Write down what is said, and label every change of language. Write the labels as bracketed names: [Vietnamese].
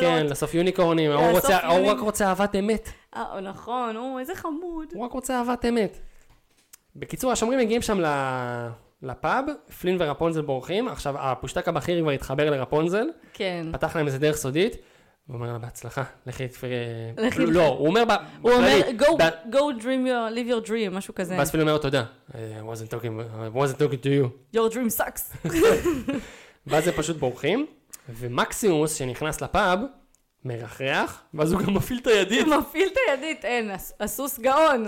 [Hebrew] כן, לעשות יוניקורנים. הוא רק רוצה אהבת אמת. נכון, איזה חמוד. הוא רק רוצה אהבת אמת. בקיצור, השומרים מגיעים שם לפאב, פלין ורפונזל בורחים, עכשיו הפושטק הבכיר כבר התחבר לרפונזל, כן. פתח להם איזה דרך סודית, הוא אומר לה בהצלחה, לכי תפרי... לכי... לא, הוא אומר... הוא אומר, [English] go dream your, live your dream, [Hebrew] משהו כזה. ואז פלין אומר, תודה, [English] I wasn't talking to you. Your dream sucks. [Hebrew] ואז הם פשוט בורחים, ומקסימוס שנכנס לפאב, מרחרח, ואז הוא גם מפעיל את הידית. מפעיל את הידית, אין, הסוס גאון.